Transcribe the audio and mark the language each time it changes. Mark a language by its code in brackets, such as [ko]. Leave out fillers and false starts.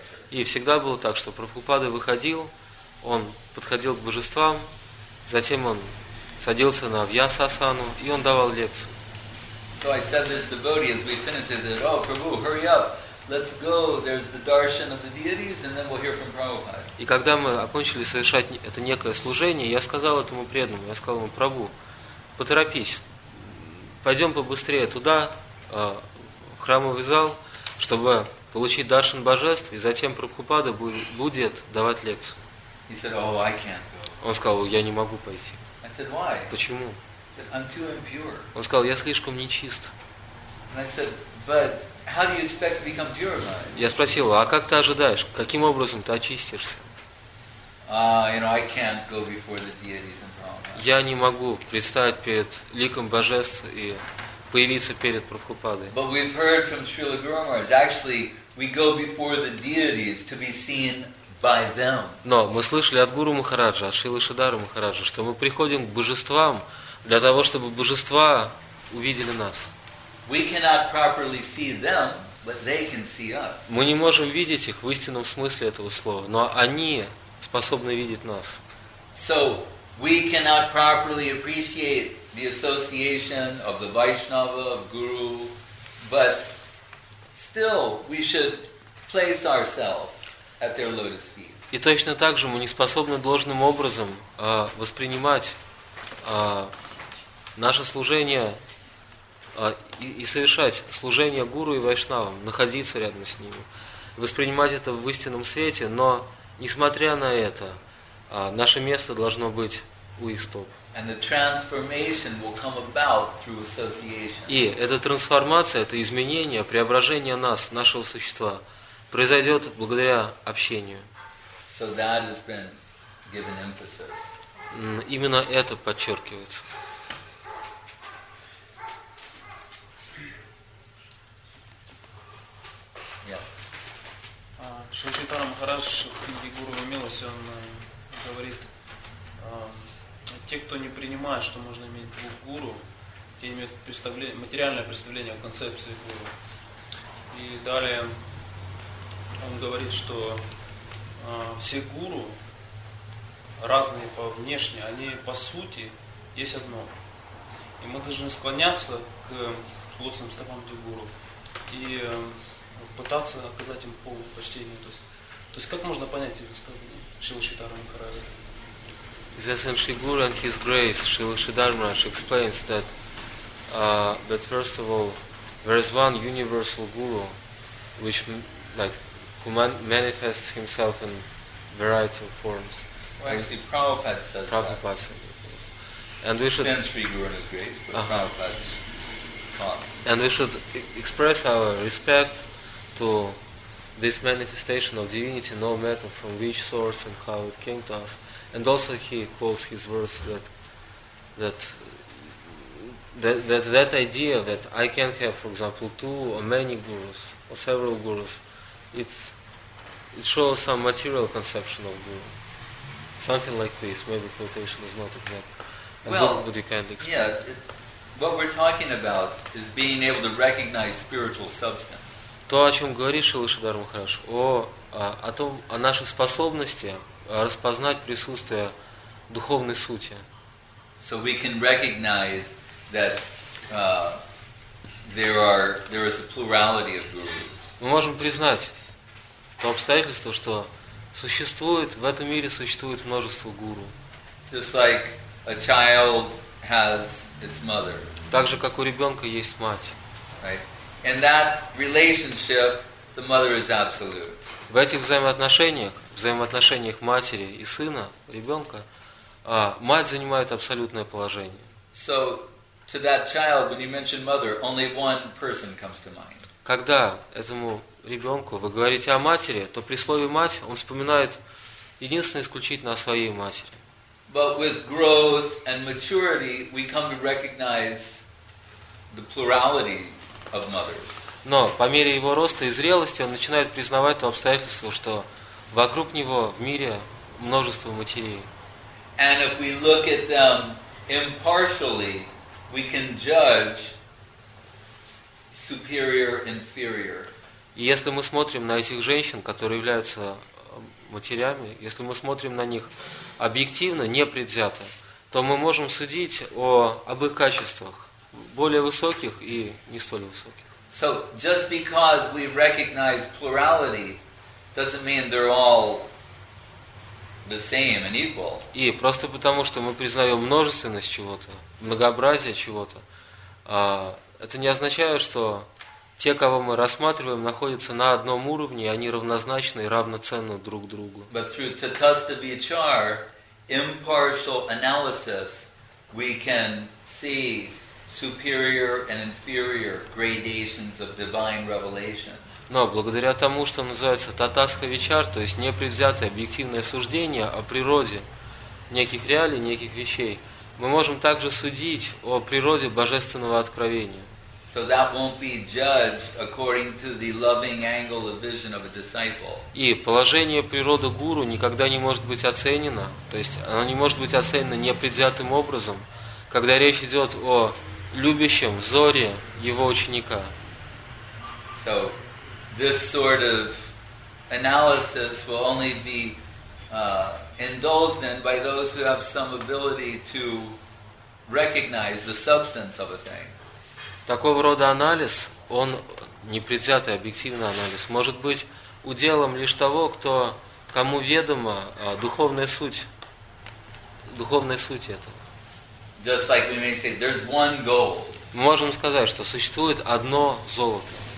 [ru] И всегда было так, что Прабхупада выходил, он подходил к божествам, затем он садился на Вьясасану, и он давал лекцию. [en] So I said this devotee, as we finished, I said, oh, Prabhu, hurry up, let's go, there's the darshan of the deities, and then we'll hear from Prabhupada. [ru] И когда мы окончили совершать это некое служение, я сказал этому преданному, я сказал ему, Прабу, поторопись, пойдем побыстрее туда, в храмовый зал, чтобы получить даршан божеств, и затем Прабхупада будет давать лекцию. [en] He said, oh, I can't go. [ru] Он сказал, я не могу пойти. [en] I said, why? [ru] Почему? [en] Said, I'm too impure. [ru] Он сказал, я слишком нечист. [en] And I said, but how do you expect to become purified? [ru] Я спросил, а как ты ожидаешь, каким образом ты очистишься? [en] You know, I can't go before the deities and Prabhupada. [ru] Я не могу предстать перед ликом божеств и появиться перед Прабхупадой. [en] But we've heard from Srila Guru Maharaj, actually, we go before the deities to be seen by them. [ru] Но мы слышали от Гуру Махараджа, от Шрилы Шридхара Махараджа, что мы приходим к божествам для того, чтобы божества увидели нас. [en] We cannot properly see them, but they can see us. [ru] Мы не можем видеть их в истинном смысле этого слова, но они способны видеть нас. [en] So we cannot properly appreciate the association of the Vaishnava, of Guru, but still we should place ourselves at their lotus feet. [ru] И точно так же мы не способны должным образом воспринимать наше служение и совершать служение Гуру и Вайшнавам, находиться рядом с ними, воспринимать это в истинном свете, но, несмотря на это, наше место должно быть у истоп. [en] And the transformation will come about through association. [ru] И эта трансформация, это изменение, преображение нас, нашего существа, произойдет благодаря общению. [en] So that has been given emphasis. [ru] Именно это подчеркивается. Шри Чайтанья Махарадж в книге «Гуру и милость», он говорит, те, кто не принимает, что можно иметь двух гуру, те имеют представление, материальное представление о концепции гуру. И далее он говорит, что все гуру разные по внешне, они по сути есть одно. И мы должны склоняться к лотосным стопам Дзюгуру и пытаться оказать им полное почтение. То есть как можно понять эти высказывания Шрилы Шридхара Махараджа? [en] Yes, and Sri Guru and His Grace, Srila Sridhara Maharaj, explains that that first of all, there is one universal Guru, which manifests himself in variety of forms. Well, actually, Prabhupada says Prabhupada that. And we should send Sri Guru and His Grace, but Prabhupada's thought. And we should express our respect to this manifestation of divinity, no matter from which source and how it came to us. And also he quotes his verse that idea that I can have, for example, two or many gurus or several gurus, it shows some material conception of guru. Something like this, maybe quotation is not exact. And well, would you kindly explain? Yeah, what we're talking about is being able to recognize spiritual substance. [ru] То, о чем говорит Шрила Шридхара Махарадж, о нашей способности распознать присутствие духовной сути. [en] So we can recognize that there is a plurality of gurus. [ru] Мы можем признать то обстоятельство, что существует в этом мире существует множество гуру. [en] Just like a child has its mother. [ru] Так же, как у ребенка есть мать. [en] Right. And that relationship, the mother is absolute. [ru] В этих взаимоотношениях матери и сына, ребенка, мать занимает абсолютное положение. [en] So, to that child, when you mention mother, only one person comes to mind. [ru] Когда этому ребенку вы говорите о матери, то при слове мать он вспоминает единственное исключительно о своей матери. [en] But with growth and maturity, we come to recognize the plurality. [ru] Но по мере его роста и зрелости он начинает признавать то обстоятельство, что вокруг него в мире множество матерей. [en] And if we look at them impartially, we can judge superior, inferior. [ru] И если мы смотрим на этих женщин, которые являются матерями, если мы смотрим на них объективно, непредвзято, то мы можем судить об их качествах. Более высоких и не столь высоких. [en] So just because we recognize plurality doesn't mean they're all the same and equal. [ru] И просто потому, что мы признаем множественность чего-то, многообразие чего-то, это не означает, что те, кого мы рассматриваем, находятся на одном уровне, и они равнозначны и равноценны друг другу. [en] But through tattvastha vichar, impartial analysis, we can see superior and inferior gradations of divine revelation. [ru] Но благодаря тому, что называется татаска вичар, то есть непредвзятое объективное суждение о природе неких реалий, неких вещей, мы можем также судить о природе божественного откровения. [en] So that won't be judged according to the loving angle of vision of a disciple. [ru] И положение природы гуру никогда не может быть оценено, то есть оно не может быть оценено непредвзятым образом, когда речь идет о любящим взоре его ученика. [en] So, this sort of analysis will only be indulged in by those who have some ability to recognize the substance of a thing. [ru] Такого рода анализ, он непредвзятый объективный анализ, может быть уделом лишь того, кому ведома духовная суть этого. [en] Just like we may say, there's one gold. [ru] Мы можем сказать, что существует одно золото.